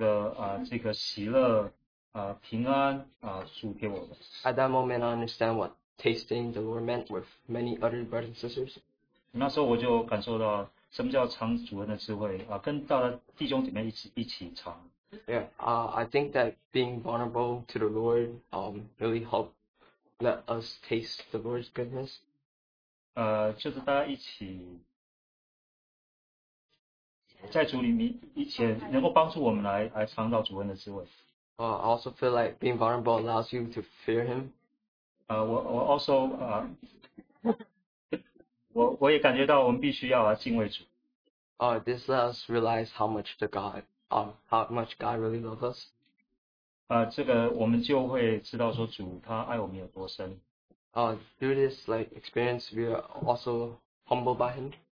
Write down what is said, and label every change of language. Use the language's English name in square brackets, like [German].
[Chinese] 当我们敬拜的时候，我看到，我就感觉到，这个喜乐。平安，主给我的。 [English] At that moment, I understand what tasting the Lord meant with many other brothers and sisters. [Chinese] 那时候我就感受到什么叫尝主恩的智慧，跟大家弟兄姐妹一起尝。 [English] Yeah, I think that being vulnerable to the Lord really helped let us taste the Lord's goodness. [Chinese] 就是大家一起在主里面，一起能够帮助我们来尝到主恩的智慧。 [English] I also feel like being vulnerable allows you to fear him. [Chinese] 我也感觉到我们必须要敬畏主。 [English] This lets us realize how much God really loves us. [Chinese] 这个我们就会知道说主他爱我们有多深。 [English] Through this like experience, we are also humbled by him.